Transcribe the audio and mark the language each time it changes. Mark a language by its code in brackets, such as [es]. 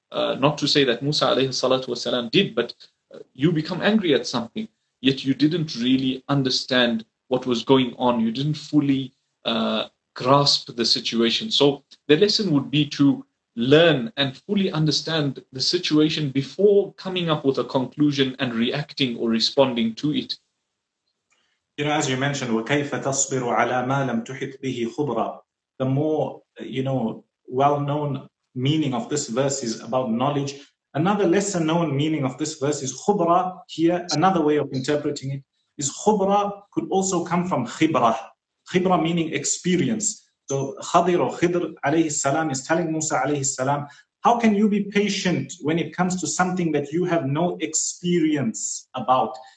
[en] Not to say that Musa alayhi salatu wasalam did, but you become angry at something, yet you didn't really understand what was going on. You didn't fully grasp the situation. So the lesson would be to learn and fully understand the situation before coming up with a conclusion and reacting or responding to it. You know, as you mentioned, [ar] وَكَيْفَ تَصْبِرُ عَلَىٰ مَا لَمْ تُحِطْ بِهِ خُبْرًا. [en] The more, you know, well-known meaning of this verse is about knowledge. Another lesser-known meaning of this verse is خُبْرًا here. Another way of interpreting it is خُبْرًا could also come from خِبْرًا. خِبْرًا meaning experience. So Khadir or Khidr alayhi salam is telling Musa alayhi salam, how can you be patient when it comes to something that you have no experience about?